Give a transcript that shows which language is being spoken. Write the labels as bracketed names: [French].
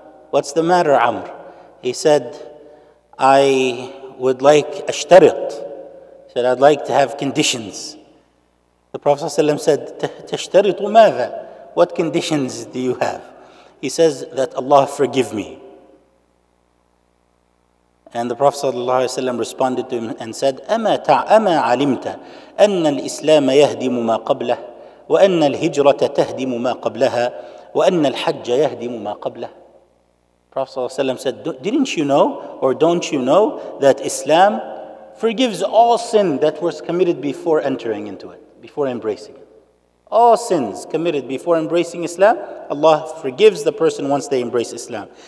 [English] What's the matter, Amr? He said, I would like ashtarit. He said, I'd like to have conditions. The Prophet sallallahu alayhi wa sallam said, [Arabic] تَشْتَرِطُ مَاذَا? [English] What conditions do you have? He says that Allah forgive me. And the Prophet sallallahu alaihi wasallam responded to him and said, [Arabic] أَمَا عَلِمْتَ أَنَّ الْإِسْلَامَ يَهْدِمُ مَا قَبْلَهُ وَأَنَّ الْهِجْرَةَ تَهْدِمُ مَا قَبْلَهَا وَأَنَّ الْحَجَّ يَهْدِمُ مَا قَبْلَهُ. [English] Prophet sallallahu alaihi wasallam said, don't you know that Islam forgives all sin that was committed before entering into it, before embracing it. All sins committed before embracing Islam, Allah forgives the person once they embrace Islam.